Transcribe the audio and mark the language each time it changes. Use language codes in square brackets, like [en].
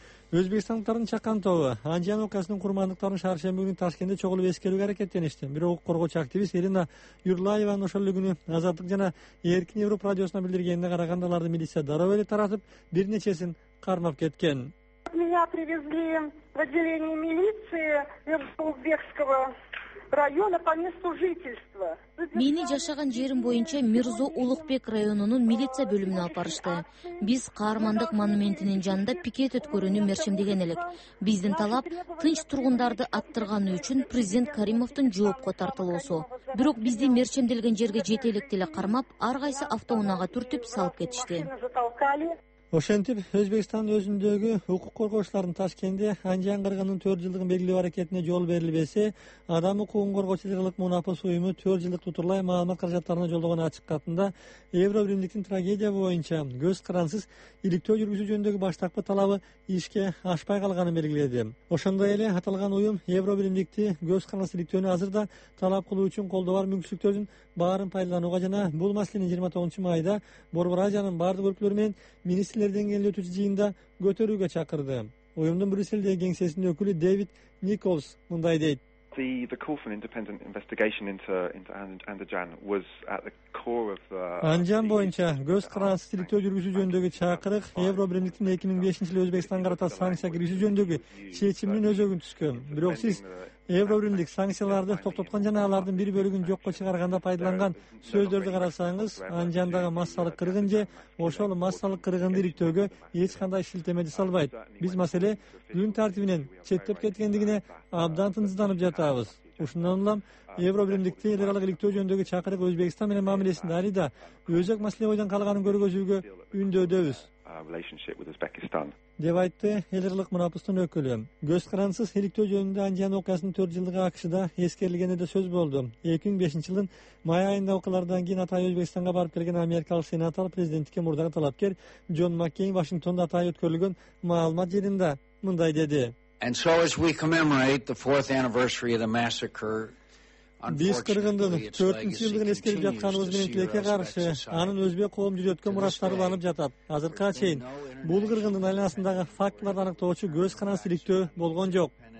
[ky] Өзбекстандыктардын чакан тобу Ханжиан окуясынын курмандыктарын шаршемби күнү Ташкентте чогулуп эскерүүгө аракеттеништи. Бирок укук коргоочу активист Ирина Юрлаеванын ошол эле күнү Азаттык жана Эркин Европа радиосуна билдиргенине караганда аларды милиция дароо эле таратып бир нечесин кармап кеткен. [ru] Меня привезли в отделение милиции. Эрзубекского района по месту жительства. [ky] Мени жашаган жерим боюнча Мирзо Улукбек районунун милиция бөлүмүнө алыпбарышты. Биз каармандык монументинин жанында пикет өткөрүүнү мерчимдеген элек. Биздин талап тынч тургундарды аттырганы үчүн президент Каримовдун жоопко тартылуусу. Бирок бизди мерчимделген жерге жете электе эле кармап, ар кайсы автоунаага түртүп салып кетишти. Ошентип, Өзбекстан өзүндөгү укук коргоочулардын Ташкентте Анжан кыргынынын 4 жылдыгын белгилөө аракетине жол берилбесе, адам укугун коргоочу жыргылык мунапыс уюму 4 жылдык тутурлай маалымат каражаттарына жолдогон ачык катында Евро биримдиктин трагедия боюнча көз карансыз иликтөө жүргүзүү жөнүндөгү баштапкы талабы ишке ашпай калганын белгиледи. Ошондой эле аталган уюм Евро биримдикти көз карансыз иликтөөнү азырда талап кылуу үчүн колдо бар мүмкүнчүлүктөрдүн баарын пайдаланууга жана бул маселени 29 майда Борбор Азиянын баардык өлкөлөрү менен министрлер деңгээлинде өтүүчү жыйында көтөрүүгө чакырды. Уюмдун Брюссельдеги кеңсесинин өкүлү Дэвид Николс мындай дейт. [en] The call for an independent investigation into Andijan was at the core of the [ky] Andijan боюнча көз карансыз иликтөө жүргүзүү жөнүндөгү чакырык Евро биримдиктин 2005-жылы Өзбекстанга карата санкция киргизүү жөнүндөгү чечимдин өзөгүн түзгөн. Бирок сиз Евро биримдик санкцияларды токтоткон жана алардын бир бөлүгүн жокко чыгарганда пайдаланган сөздөрдү карасаңыз, Анжандагы массалык кыргын же ошол массалык кыргынды иликтөөгө эч кандай шилтеме жасалбайт. Биз маселе күн тартибинен четтеп кеткендигине абдан тынчсызданып жатабыз. Ушундан улам Евро биримдикти эл аралык иликтөө жөнүндөгү чакырык Өзбекстан менен мамилесинде али да өзөк маселе бойдон калганын көргөзүүгө үндөөдөбүз. Деп айтты эл аралык мунапыстын өкүлү. Көз карансыз иликтөө жөнүндө Анжан окуясынын 4 жылдыгы АКШда эскерилгени да сөз болду. 2005-жылдын май айында окуялардан кийин атайы Өзбекстанга барып келген Америкалык сенатор президенттикке мурдагы талапкер Джон Маккейн Вашингтондо атайы өткөрүлгөн маалымат жыйынында мындай деди. [en] And so as we commemorate the 4th anniversary of the massacre, [ky] биз кыргындын 4-нчү жылдыгын эскерип жатканыбыз менен тилекке каршы анын өзбек коом жүрөткөн мурастары уланып жатат. Азыркы чейин бул кыргындын айланасындагы фактыларды аныктоочу көз карансыз иликтөө болгон жок.